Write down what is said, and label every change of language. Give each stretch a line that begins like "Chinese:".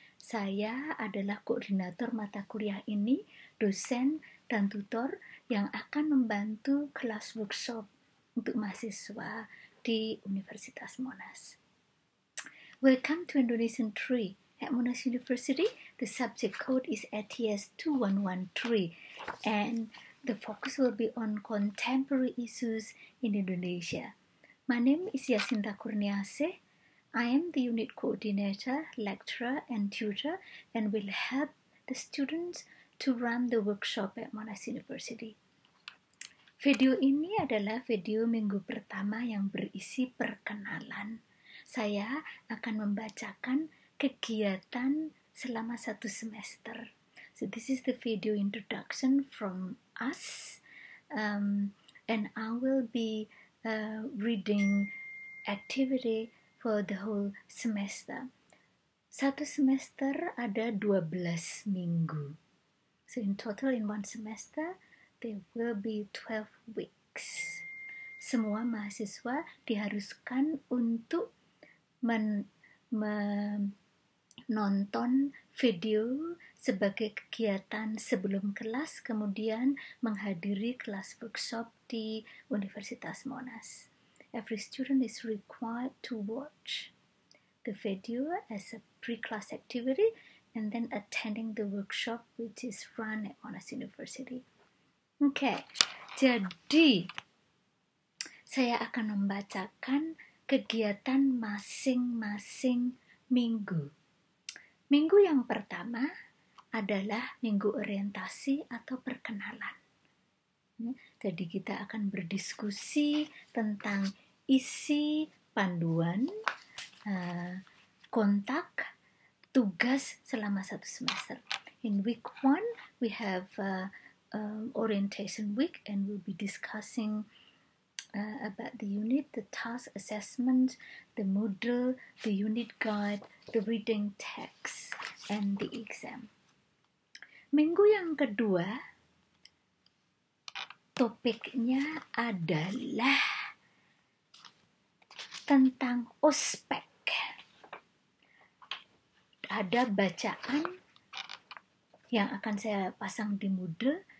Indonesian: Saya adalah koordinator mata kuliah ini, dosen dan tutor yang akan membantu kelas workshop untuk mahasiswa di Universitas Monas.
English: Welcome to Indonesian 3 at Monas University. The subject code is ATS2113 and the focus will be on contemporary issues in Indonesia. My name is Yasinta Kurniaseh. I am the unit coordinator, lecturer and tutor and will help the students to run the workshop at Monas University.
Indonesian: Video ini adalah video minggu pertama yang berisi perkenalan. Saya akan membacakan kegiatan selama satu semester.
English: So this is the video introduction from us. And I will be reading activity for the whole semester.
Indonesian: Satu semester ada 12 minggu.
English: So in total in one semester, there will be 12 weeks.
Indonesian: Semua mahasiswa diharuskan untuk menonton video sebagai kegiatan sebelum kelas, kemudian menghadiri kelas workshop di Universitas Monas.
English: Every student is required to watch the video as a pre-class activity and then attending the workshop which is run at Monas University.
Indonesian: Oke, jadi saya akan membacakan kegiatan masing-masing minggu. Minggu yang pertama adalah minggu orientasi atau perkenalan. Jadi kita akan berdiskusi tentang isi panduan, kontak, tugas selama satu semester.
English: In week one, we have orientation week and we'll be discussing about the unit, the task assessment, the Moodle, the unit guide, the reading text, and the exam.
Indonesian: Minggu yang kedua, topiknya adalah tentang ospek. Ada bacaan yang akan saya pasang di Moodle.